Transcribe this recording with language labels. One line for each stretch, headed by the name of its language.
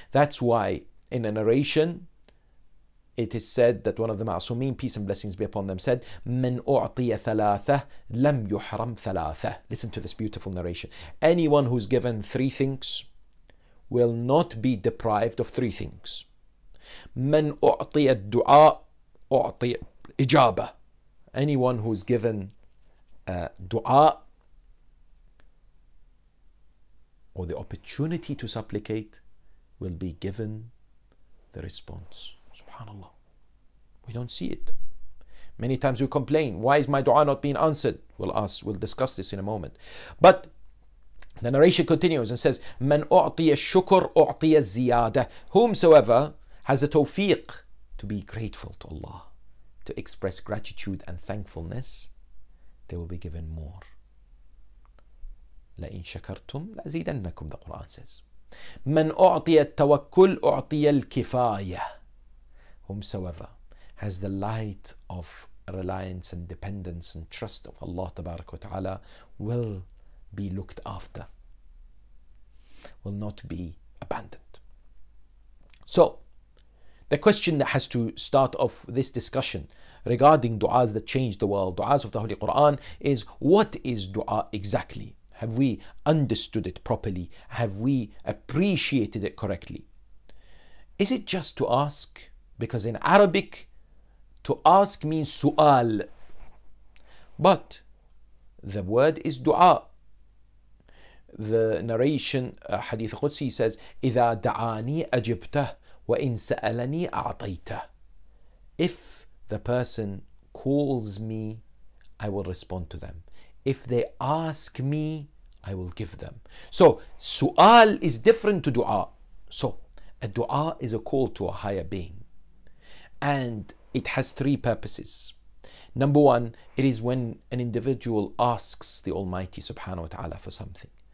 English: That's why in a narration it is said that one of the Ma'sumin, peace and blessings be upon them, said,
Arabic: مَنْ أُعْطِيَ ثَلَاثَةَ لَمْ يُحْرَمْ ثَلَاثَةَ.
English: Listen to this beautiful narration. Anyone who's given three things will not be deprived of three things.
Arabic: مَنْ أُعْطِيَ الدُّعَاء أُعْطِيَ إِجَابَةَ.
English: Anyone who's given dua or the opportunity to supplicate will be given the response. SubhanAllah. We don't see it. Many times we complain, why is my dua not being answered? We'll discuss this in a moment. But the narration continues and says,
Arabic: مَنْ أُعْطِيَ الشُّكُرْ أُعْطِيَ الزِّيَادَةَ.
English: Whomsoever has a tawfiq to be grateful to Allah, to express gratitude and thankfulness, they will be given more.
Arabic: لَإِنْ شَكَرْتُمْ لَأَزِيدَنَّكُمْ,
English: the Quran says.
Arabic: مَنْ أُعْطِيَ التَّوَكُّلْ أُعْطِيَ الْكِفَايَةَ.
English: Whomsoever has the light of reliance and dependence and trust of Allah tabarak wa ta'ala will be looked after, will not be abandoned. So the question that has to start off this discussion regarding du'as that change the world, du'as of the Holy Quran, is what is du'a exactly? Have we understood it properly? Have we appreciated it correctly? Is it just to ask? Because in Arabic, to ask means su'al. But the word is du'a. The narration, Hadith Qudsi, says,
Arabic: إِذَا دَعَانِي أَجِبْتَهُ وَإِنْ سَأَلَنِي أَعْطَيْتَهُ.
English: If the person calls me, I will respond to them. If they ask me, I will give them. So su'al is different to du'a. So a du'a is a call to a higher being. And it has three purposes. Number one, it is when an individual asks the Almighty subhanahu wa ta'ala for something.